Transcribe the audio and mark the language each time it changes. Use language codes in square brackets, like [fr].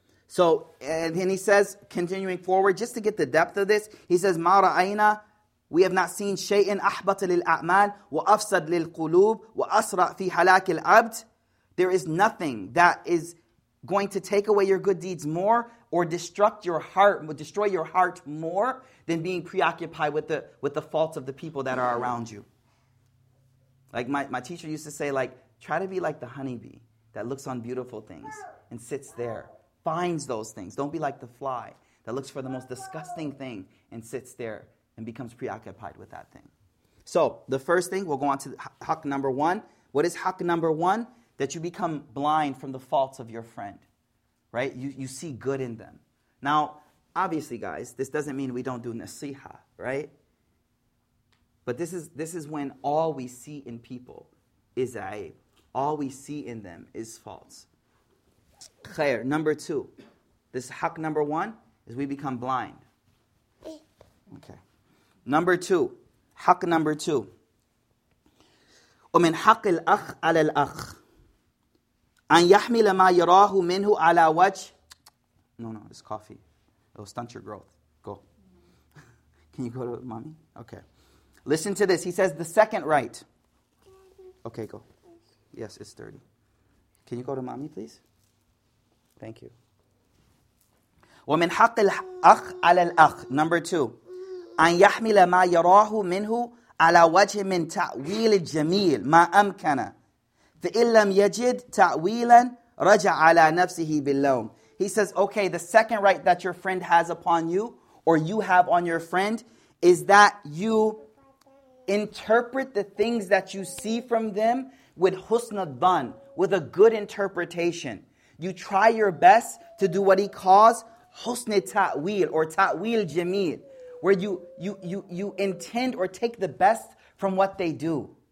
[en] So, and then he says, continuing forward, just to get the depth of this, he says, [ar] مَا رَأَيْنَا. [en] We have not seen [ar] شَيْءٍ أَحْبَطَ لِلْأَعْمَالِ وَأَفْسَدْ لِلْقُلُوبِ وَأَسْرَأْ فِي حَلَاكِ الْعَبْدِ. [en] There is nothing that is going to take away your good deeds more or destroy your heart more than being preoccupied with the faults of the people that are around you. Like my teacher used to say, like, try to be like the honeybee that looks on beautiful things and sits there, finds those things. Don't be like the fly that looks for the most disgusting thing and sits there and becomes preoccupied with that thing. So the first thing, we'll go on to haq number one. What is haq number one? That you become blind from the faults of your friend, right? You see good in them. Now, obviously, guys, this doesn't mean we don't do nasiha, right? But this is when all we see in people is aib. All we see in them is faults. Khair, number two. This haq number one is we become blind. Okay. Number two. Haq number two. [ar] وَمِنْ حَقِ الْأَخْ عَلَى الْأَخْ. أن يحمل ما يراه منه على وجه. [en] No, it's coffee. It'll stunt your growth. Go. Can you go to mommy? Okay. Listen to this. He says the second right. Okay, go. Yes, it's dirty. Can you go to mommy, please? Thank you. [ar] ومن حق الأخ على الأخ. [en] Number two. [ar] أن يحمل ما يراه منه على وجه من تأويل الجميل ما أمكن. فإن لم يجد تأويلا رجع على نفسه باللوم. [en] He says, okay, the second right that your friend has upon you or you have on your friend is that you interpret the things that you see from them with husna dhan, with a good interpretation. You try your best to do what he calls husna ta'wil or ta'wil jameel, where you intend or take the best from what they do.